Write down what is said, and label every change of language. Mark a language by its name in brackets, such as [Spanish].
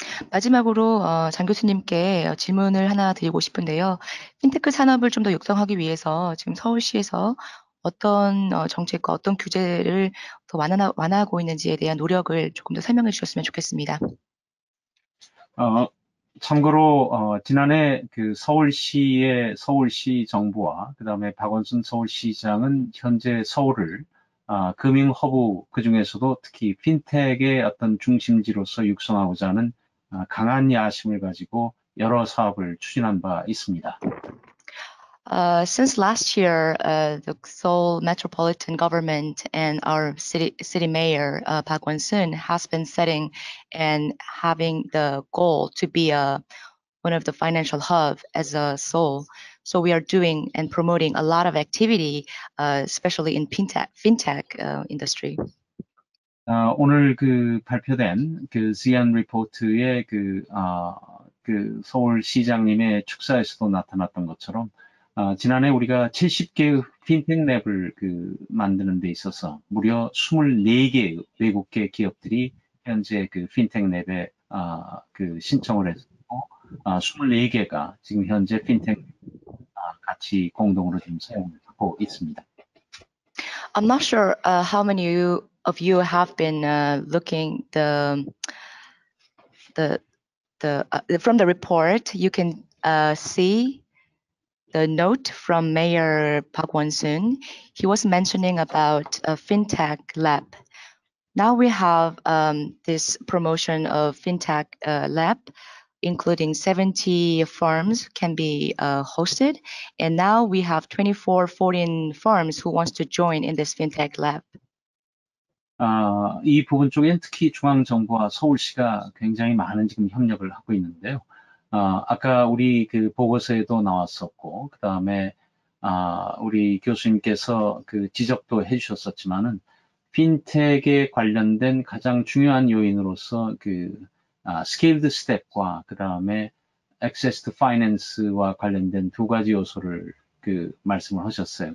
[Korean] 마지막으로 장 교수님께 질문을 하나 드리고 싶은데요. 핀테크 산업을 좀 더 육성하기 위해서 지금 서울시에서 어떤 정책과 어떤 규제를 더 완화하고 있는지에 대한 노력을 조금 더 설명해 주셨으면 좋겠습니다. 참고로 지난해 그 서울시의 서울시 정부와 그다음에 박원순 서울시장은 현재 서울을 금융 허브 그중에서도 특히 핀텍의 어떤 중심지로서 육성하고자 하는 강한 야심을 가지고 여러 사업을 추진한 바 있습니다. [English] Since last year, the Seoul Metropolitan Government and our city mayor, Park Won-soon, has been setting and having the goal to be one of the financial hub as a Seoul. So we are doing and promoting a lot of activity, especially in fintech industry. [Korean] 오늘 그 발표된 그 CN 리포트의 그, 그 서울 시장님의 축사에서도 나타났던 것처럼 지난해 우리가 70개의 핀텍 랩을 만드는 데 있어서 무려 24개의 외국계 기업들이 현재 그 핀텍 랩에 신청을 했고 24개가 지금 현재 핀텍 같이 공동으로 지금 사용을 하고 있습니다. [English] I'm not sure how many of you have been looking from the report you can see the note from Mayor Park Won-soon. He was mentioning about a fintech lab. Now we have this promotion of fintech lab, including 70 firms can be hosted. And now we have 24 foreign firms who wants to join in this fintech lab. [Korean] 이 부분 쪽엔 특히 중앙정부와 서울시가 굉장히 많은 지금 협력을 하고 있는데요. 아까 우리 그 보고서에도 나왔었고, 그 다음에, 우리 교수님께서 그 지적도 해주셨었지만은, 핀텍에 관련된 가장 중요한 요인으로서 그, [English] scaled step [Korean] 과 그 다음에 [English] access to finance [Korean] 와 관련된 두 가지 요소를 그 말씀을 하셨어요.